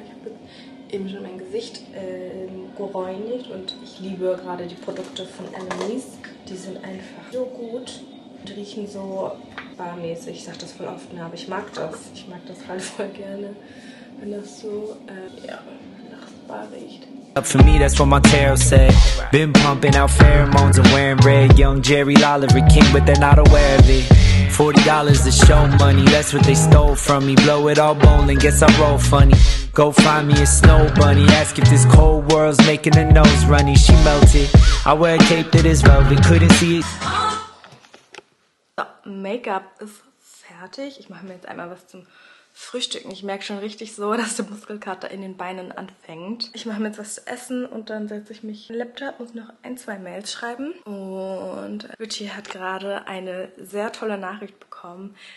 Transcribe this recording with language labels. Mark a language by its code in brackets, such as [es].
[de] Ich habe eben schon mein Gesicht geräumt und ich liebe gerade die Produkte von Annalise. Die sind einfach so gut und riechen so barmäßig. Ich sage das voll oft, aber ich mag das. Ich mag das halt voll gerne, wenn das so nach Spa riecht. [en] Up for me, that's what my tarot said. Been pumping out pheromones and wearing red. Young Jerry Lawler, king, but they're not aware of it. $40 is show money, that's what they stole from me. Blow it all bowling, guess I roll funny. Go find me a snow bunny. Ask if this cold world's making her nose runny. She melted. I wear a cape that is velvet, couldn't see it. [de] So, Make-up ist fertig. Ich mache mir jetzt einmal was zum Frühstücken. Ich merke schon richtig so, dass der Muskelkater in den Beinen anfängt. Ich mache mir jetzt was zu essen und dann setze ich mich in den Laptop, muss noch ein, zwei Mails schreiben. Und Richie hat gerade eine sehr tolle Nachricht bekommen.